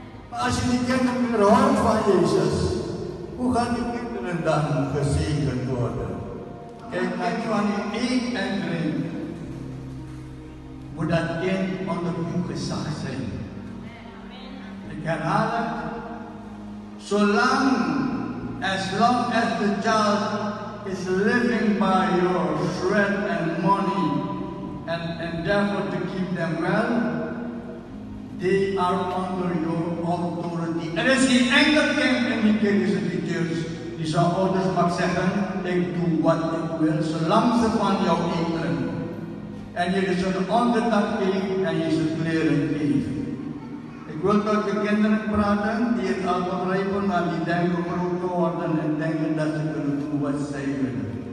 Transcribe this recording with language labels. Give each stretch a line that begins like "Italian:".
Dutch: Maar als je die kinderen weer hoort van Jezus, hoe gaan die kinderen dan gezegend worden? Kijk, als je van één kind drinkt, moet dat kind onder uw gezag zijn. Ik herhaal het.
English: As long as the child is living by your sweat and money and endeavor to keep them well, they are under your authority.
Dutch: Er is geen enkel kind in die kinderse details die zijn ouders mag zeggen, ik doe wat ik wil, zolang ze van jou eten. En je is een onderdak geven en je is een kleren geven. Ik wil tot de kinderen praten die het al begrijpen, maar die denken groot te worden en denken dat ze kunnen doen wat zij willen.